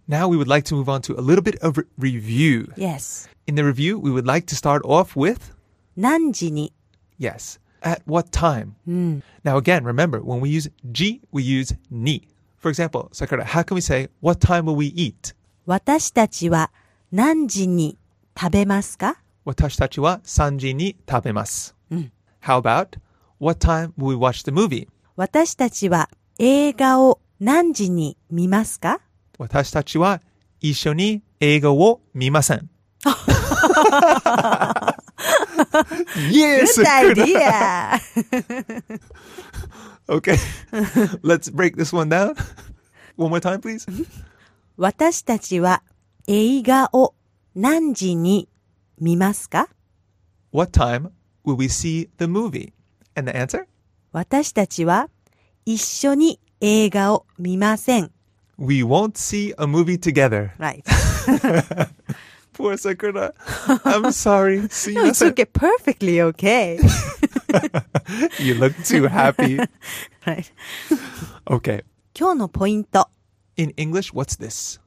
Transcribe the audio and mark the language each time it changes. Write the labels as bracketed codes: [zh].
[en] Now we would like to move on to a little bit of review. Yes. In the review, we would like to start off with? [ja] 何時に. [en] Yes. At what time? Mm. Now again, remember, when we use ji, we use ni. For example, Sakura, how can we say, what time will we eat? [ja] 私たちは何時に食べますか? 私たちは3時に食べます. [en] How about, what time will we watch the movie? [ja] 私たちは映画を何時に見ますか? 私たちは一緒に映画を見ません. [en] Yes! Good idea! Okay, let's break this one down. One more time, please. [ja] 私たちは映画を何時に見ますか? [en] What time will we see the movie? And the answer? [ja] 私たちは一緒に映画を見ません. [en] We won't see a movie together. Right. Poor Sakura. I'm sorry. See you. No, it's okay. Perfectly okay. You look too happy. Right. Okay. [ja] 今日のポイント. [en] In English, what's this?